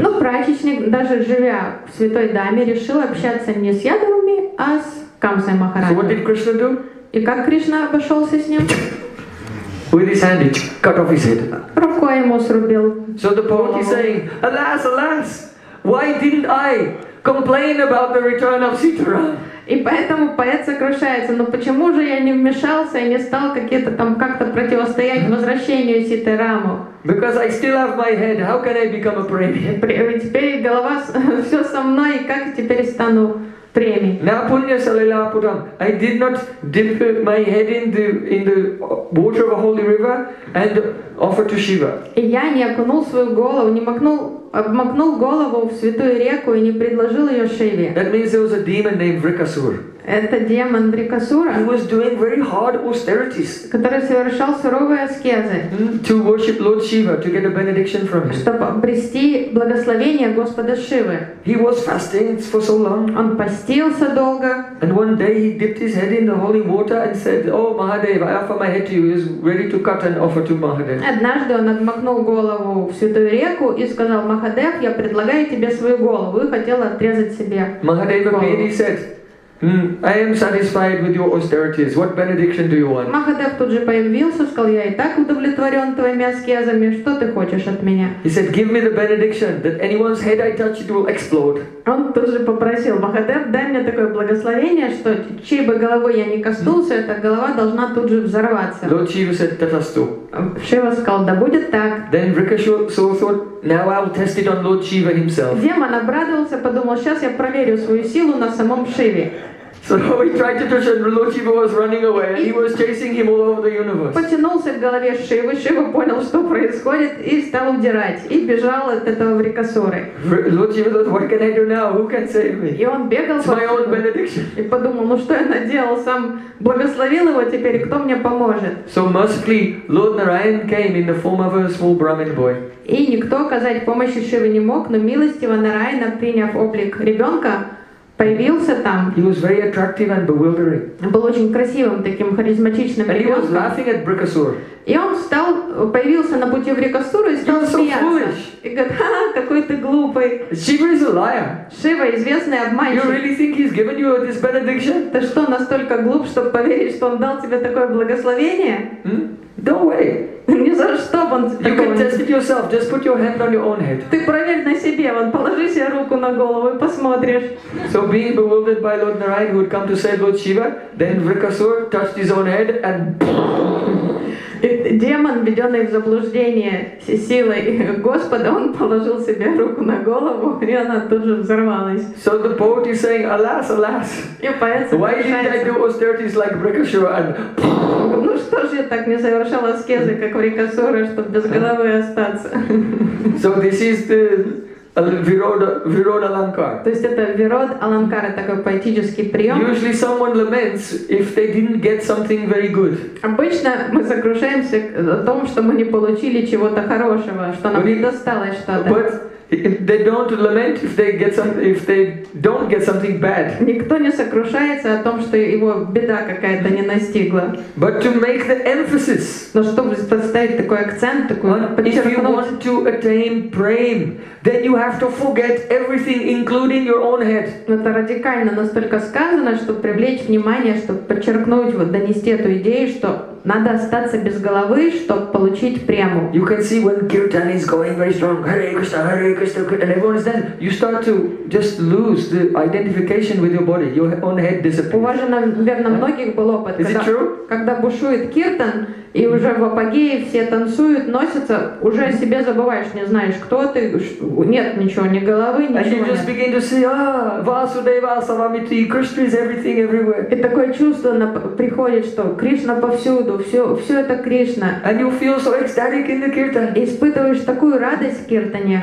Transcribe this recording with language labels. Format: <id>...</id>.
<ru>Но прачечник, даже живя в святой даме, решил общаться не с ядовами, а с Камсой Махараджей.</ru> <en>So</en> <ru>и как Кришна обошелся с ним?</ru> <en>With his hand, cut off his head.</en> <ru>Рукой ему срубил.</ru> <en>So the poet is saying, alas, alas, why didn't I complain about the return of Sitaram?</en> <ru>И поэтому поэт сокрушается, но почему же я не вмешался и не стал какие-то там как-то противостоять возвращению Ситы Раму?</ru> <en>Because I still have my head, how can I become a premi?</en> <ru>Теперь голова все со мной, и как теперь стану премией?</ru> <sa>На пунья салила путам.</sa> <en>I did not dip my head in the water of a holy river and offer to Shiva.</en> <ru>И я не окунул свою голову, не макнул. Обмакнул голову в святую реку и не предложил ее Шиве.</ru> <en>That means there was a demon named Vrikasur.</en> <ru>Это демон Врикасура.</ru> <en>He was doing very hard austerities.</en> <ru>Который совершал суровые аскезы.</ru> <en>To worship Lord Shiva, to get a benediction from him.</en> <ru>Чтобы обрести благословение Господа Шивы.</ru> <en>He was fasting for so long.</en> <ru>Он постился долго.</ru> <en>And one day he dipped his head in the holy water and said, "Oh Mahadev, I offer my head to you." He was ready to cut and offer to Mahadev.</en> <ru>Однажды он обмакнул голову в святую реку и сказал: Махадев, я предлагаю тебе свою голову. Вы хотела отрезать себе.</ru> <en>Mahadeva Beni said, I am satisfied with your austerities. What benediction do you want?</en> <ru>Махадев тут же появился, сказал, я и так удовлетворен твоими аскезами. Что ты хочешь от меня?</ru> <en>He said, give me the benediction that anyone's head I touch it will explode.</en> <ru>Он тут же попросил, Махадев, дай мне такое благословение, что чьей бы головой я ни коснулся, эта голова должна тут же взорваться.</ru> <en>Lord Shiva said, tatastu.</en> <ru>Шива сказал, да будет так.</ru> <en>Then Rikishu so thought, now I'll test it on Lord Shiva himself.</en> <ru>Демон обрадовался, подумал, сейчас я проверю свою силу на самом Шиве.</ru> <en>So he tried to touch and Lord Shiva was running away and he was chasing him all over the universe.</en> <ru>Потянулся к голове Шивы, Шива понял, что происходит, и стал удирать, и бежал от этого Врикасуры.</ru> <en>Lord Shiva thought, what can I do now? Who can save me?</en> <ru>И он бегал по Шиву.</ru> <en>My own benediction.</en> <ru>И подумал, ну что я наделал, сам благословил его, теперь кто мне поможет?</ru> <en>So mercifully, Lord Narayan came in the form of a small Brahmin boy.</en> <ru>И никто оказать помощи Шиве не мог, но милостиво Нараяна, приняв облик ребенка, появился там.</ru> <en>He was very attractive and bewildering.</en> <ru>Был очень красивым, таким харизматичным ребенком.</ru> <en>And he was laughing at Vrikasura.</en> <ru>И он стал, появился на пути Врикасуры и стал смеяться. И говорит, ха-ха, какой ты глупый.</ru> <en>Shiva is a liar.</en> <ru>Шива известный обманщик.</ru> <en>You really think he's given you this benediction?</en> <ru>Ты что, настолько глуп, чтобы поверить, что он дал тебе такое благословение?</ru> <en>No way.</en> <ru>Ни за что он</ru> <en>You can test it yourself. Just put your hand on your own head.</en> <ru>Ты проверь на себе. Вон, положи себе руку на голову и посмотришь.</ru> <en>So being bewildered by Lord Narayan, who had come to save Lord Shiva, then Vrikasur touched his own head and...</en> <ru>Демон, введенный в заблуждение силой Господа, он положил себе руку на голову, и она тут же взорвалась.</ru> <en>So the poet is saying, alas, alas. Why didn't I do austerities like Vrikasura?</en> <ru>Ну что ж я так не совершал аскезы, как Врикасура, чтобы без головы остаться?</ru> <en>So this is the Virod Alankar.</en> <ru>То есть это Virod Alankar, такой поэтический прием.</ru> <en>Usually someone laments if they didn't get something very good.</en> <ru>Обычно мы сокрушаемся о том, что мы не получили чего-то хорошего, что нам не досталось что-то.</ru> <en>But they don't lament if they get something, if they don't get something bad.</en> <ru>Никто не сокрушается о том, что его беда какая-то не настигла.</ru> <en>But to make the emphasis.</en> <ru>Но чтобы поставить такой акцент, такой подчеркнуть.</ru> <en>If you want to attain prem, then you have to forget everything, including your own head.</en> <ru>Это радикально настолько сказано, чтобы привлечь внимание, чтобы подчеркнуть, вот донести эту идею, что надо остаться без головы, чтобы получить прему.</ru> <en>You can see when Kirtan is going very strong, Hare Krishna, Kirtan, and everyone is there, you start to just lose the identification with your body. Your own head disappears.</en> <ru>У вас же, наверное, многих был опыт.</ru> <en>Is it true?</en> <ru>Когда бушует Киртан, и уже в апогее все танцуют, носятся, уже о себе забываешь, не знаешь, кто ты, нет ничего, ни головы, ничего.</ru> <en>And you just begin to say, Vasudeva, Savamiti, Krishna is everything, everywhere.</en> <ru>И такое чувство приходит, что Кришна повсюду, все это Кришна.</ru> <en>And you feel so ecstatic in the kirtan.</en> <ru>И испытываешь такую радость в киртане.</ru>